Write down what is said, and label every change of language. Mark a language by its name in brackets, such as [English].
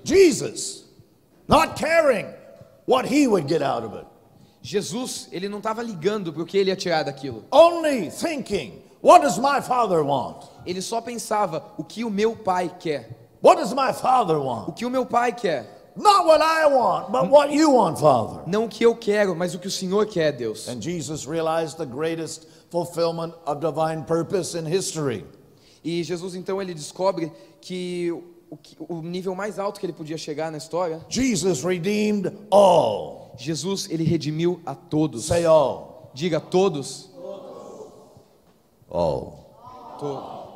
[English] Jesus, not caring what he would get out of it. [Portuguese] Jesus, ele não estava ligando para o que ele ia tirar daquilo. [English] Only thinking, what does my father want? [Portuguese] Ele só pensava, o que o meu pai quer? [English] What does my father want? [Portuguese] O que o meu pai quer? [English] Not what I want, but what you want, Father. [Portuguese] Não o que eu quero, mas o que o Senhor quer, Deus. [English] And Jesus realized the greatest fulfillment of divine purpose in history. [Portuguese] E Jesus então ele descobre que o nível mais alto que ele podia chegar na história. [English] Jesus redeemed all. [Portuguese] Jesus, ele redimiu a todos. [English] Say all. [Portuguese] Diga todos. [English] All.